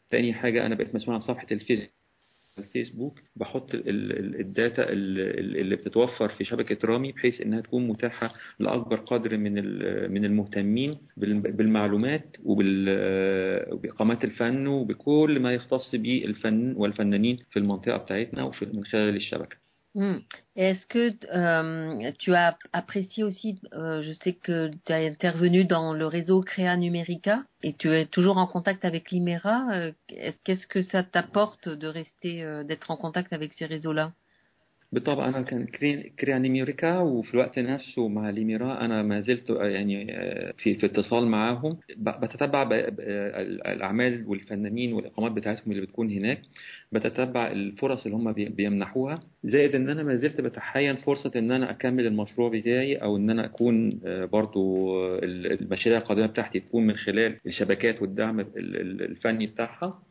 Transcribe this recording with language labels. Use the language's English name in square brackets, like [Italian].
[Arabic] تاني حاجة أنا بقيت مسؤول عن صفحة الفيسبوك، بحط الداتا اللي بتتوفر في شبكة رامي بحيث إنها تكون متاحة لأكبر قدر من المهتمين بالمعلومات وبإقامات الفن وبكل ما يختص بالفن والفنانين في المنطقة بتاعتنا وفي من خلال الشبكة. [French] Est-ce que tu as apprécié aussi, je sais que tu as intervenu dans le réseau Créa Numérica et tu es toujours en contact avec l'IMERA, qu'est-ce que ça t'apporte de rester, d'être en contact avec ces réseaux-là? [Arabic] بالطبع انا كان كريا نيميوريكا، وفي الوقت نفسه مع الاميره انا ما زلت يعني في اتصال معاهم، بتتبع الاعمال والفنانين والاقامات بتاعتهم اللي بتكون هناك، بتتبع الفرص اللي هم بيمنحوها، زائد ان انا ما زلت بتحين فرصه ان انا اكمل المشروع بتاعي او ان انا اكون برضو المشاريع القادمه بتاعتي تكون من خلال الشبكات والدعم الفني بتاعها.